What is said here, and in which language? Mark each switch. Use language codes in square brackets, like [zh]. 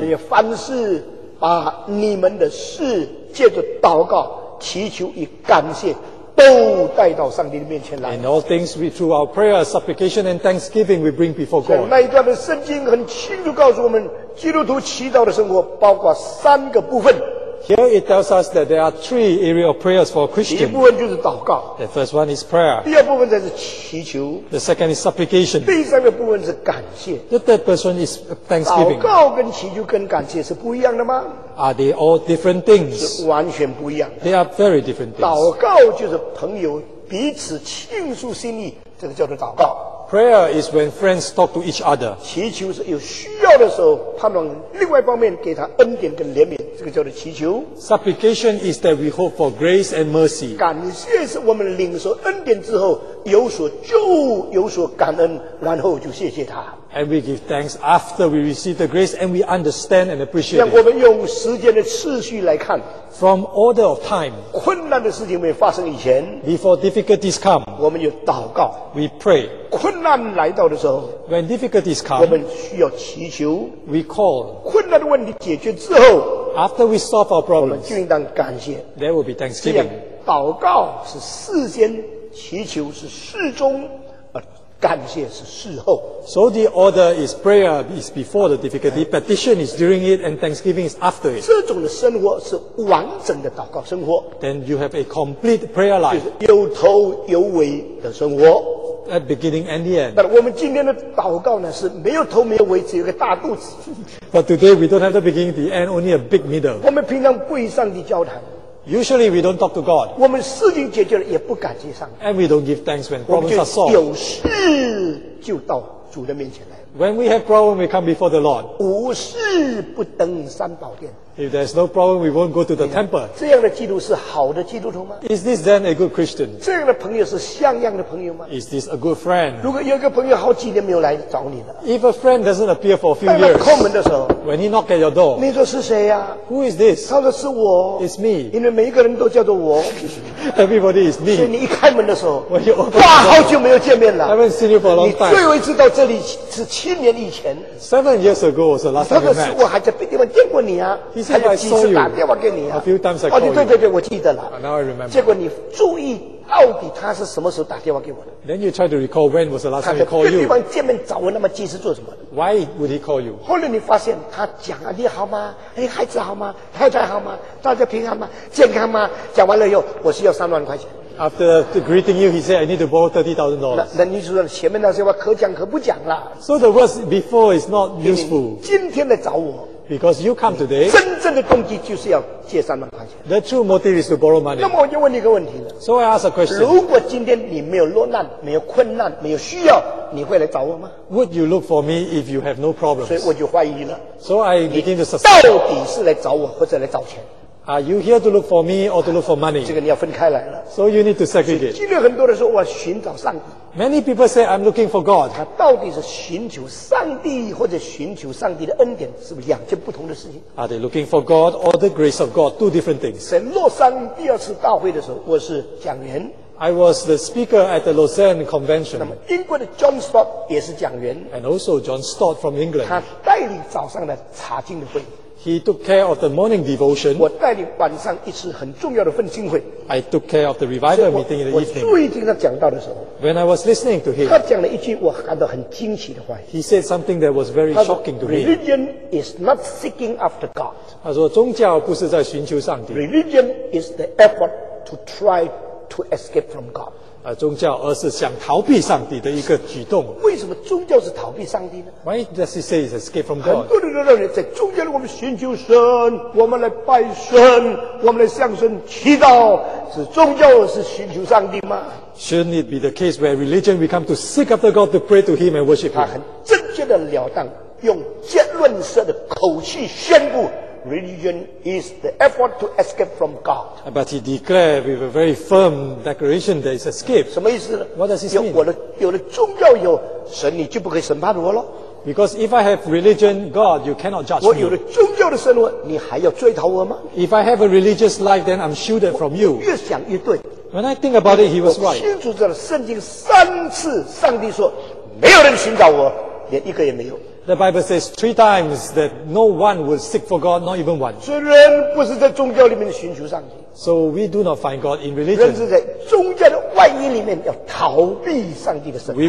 [zh] 你凡事把你们的事借着祷告祈求与感谢都带到上帝的面前来。 [en] In all things, we, through our prayer, supplication, and thanksgiving, we bring before God. [zh] 那一段的圣经很清楚告诉我们，基督徒祈祷的生活包括三个部分。 [en] Here it tells us that there are three areas of prayers for a Christian. [zh] 第一部分就是祷告。 [en] The first one is prayer. [zh] 第二部分才是祈求。 [en] The second is supplication. [zh] 第三个部分是感谢。 [en] The third person is thanksgiving. [zh] 祷告跟祈求跟感谢是不一样的吗？ [en] Are they all different things? [zh] 是完全不一样的。 [en] They are very different things. [zh] 祷告就是朋友彼此倾诉心意，这个叫做祷告。 [en] Prayer is when friends talk to each other. [zh] 祈求是有需要的时候，盼望另外一方面给他恩典跟怜悯，这个叫做祈求。 [en] Supplication is that we hope for grace and mercy. [zh] 感谢是我们领受恩典之后有所救，有所感恩，然后就谢谢他。 [en] And we give thanks after we receive the grace and we understand and appreciate it. [zh] 让我们用时间的次序来看。 [en] From order of time, [zh] 困难的事情没发生以前， [en] before difficulties come, [zh] 我们有祷告， [en] we pray. [zh] 困难来到的时候， [en] when difficulties come, [zh] 我们需要祈求， [en] we call. [zh] 困难的问题解决之后， [en] after we solve our problems, [zh] 我们就应当感谢， [en] there will be thanksgiving. [zh] 祷告是事先，祈求是事中，感谢是事后。 [en] So the order is prayer is before the difficulty, petition is during it, and thanksgiving is after it. [zh] 这种的生活是完整的祷告生活。 [en] Then you have a complete prayer life. [zh] 就是有头有尾的生活。 [en] At beginning and the end. [zh] 但我们今天的祷告呢，是没有头没有尾，只有个大肚子。 [en] But today we don't have the beginning, the end, only a big middle. [zh] 我们平常不与上帝交谈。 [en] Usually we don't talk to God. [zh] 我们事情解决了也不感谢上帝。 [en] And we don't give thanks when problems are solved. [zh] 有事就到主的面前来。 [en] When we have problem, we come before the Lord. [zh] 无事不登三宝殿。 [en] If there's no problem, we won't go to the temple. [zh] 这样的基督是好的基督徒吗？ [en] Is this then a good Christian? [zh] 这样的朋友是像样的朋友吗？ [en] Is this a good friend? [zh] 如果有一个朋友好几年没有来找你了， [en] If a friend doesn't appear for a few years, [zh] 当他叩门的时候， [en] When he knock at your door, [zh] 你说是谁呀？ [en] Who is this? [zh] 他说是我。 [en] It's me. [zh] 因为每一个人都叫做我。 [en] Everybody is me. [zh] 所以你一开门的时候， [en] When you open the door, [zh] 哇，好久没有见面了。 [en] I haven't seen you for a long time. [zh] 你最为知道这里是七年以前。 [en] 7 years ago was the last time we met. [zh] 他说是我还在别地方见过你啊。还有几次打电话给你啊？ [en] A few times I call you. [zh] 哦，对对对，我记得了。 [en] Now I remember. [zh] 结果你注意到底他是什么时候打电话给我的？ [en] Then you try to recall when was the last time he called you. [zh] 他在别地方见面找我那么及时做什么？ [en] Why would he call you? [zh] 后来你发现他讲啊，你好吗？哎，孩子好吗？太太好吗？大家平安吗？健康吗？讲完了以后，我是要30,000块钱。 [en] After greeting you, he said, I need to borrow $30,000. [zh] 那你说前面那些话可讲可不讲了。 [en] So the words before is not useful. [zh] 今天来找我。 [en] Because you come today, [zh] 真正的动机就是要借30,000块钱。 [en] The true motive is to borrow money. [zh] 那么我就问你一个问题了。 [en] So I ask a question. [zh] 如果今天你没有落难、没有困难、没有需要，你会来找我吗？ [en] Would you look for me if you have no problems? [zh] 所以我就怀疑了。 [en] So I begin to suspect. [zh] 到底是来找我，或者来找钱？ [en] Are you here to look for me or to look for money? [zh] 这个你要分开来了。 [en] So you need to segregate. [zh] 今天很多人说我寻找上帝。 [en] Many people say I'm looking for God. [zh] 他到底是寻求上帝或者寻求上帝的恩典，是不是两件不同的事情？ [en] Are they looking for God or the grace of God? Two different things. [zh] 在洛桑第二次大会的时候，我是讲员。 [en] I was the speaker at the Lausanne Convention. [zh] 那么英国的 John Stott 也是讲员。 [en] And also John Stott from England. [zh] 他带领早上的查经的会。 [en] He took care of the morning devotion. [zh] 我带领晚上一次很重要的奉经会。 [en] I took care of the revival meeting in the evening. [zh] 我注意听他讲到的时候。 [en] When I was listening to him, [zh] 他讲了一句我感到很惊奇的话。 [en] He said something that was very shocking to me. Religion is not seeking after God. [zh] 他说宗教不是在寻求上帝。 [en] Religion is the effort to try to escape from God. [zh] 宗教而是想逃避上帝的一个举动。为什么宗教是逃避上帝呢？ [en] Why does he say it's escape from God? [zh] 很多人都认为在宗教里我们寻求神，我们来拜神，我们来向神祈祷，是宗教是寻求上帝吗？ [en] Shouldn't it be the case where religion we come to seek after God to pray to him and worship him? [zh] 他很正确的了当，用结论式的口气宣布。 [en] Religion is the effort to escape from God. But he declared with a very firm declaration that it's escape. [zh] 什么意思呢？ [en] What does this mean? [zh] 有了宗教以后，神你就不可以审判我了。 [en] Because if I have religion, God, you cannot judge me. [zh] 我有了宗教的生活，你还要追讨我吗？ [en] If I have a religious life, then I'm shielded from you. [zh] 越想越对。 [en] When I think about it, he was right. [zh] 我清楚知道圣经三次上帝说，没有人寻找我，连一个也没有。 [en] The Bible says three times that no one will seek for God, not even one. [zh] 所以人不是在宗教里面寻求上帝。 [en] So we do not find God in religion. [zh] 人是在宗教的外衣里面要逃避上帝的审判。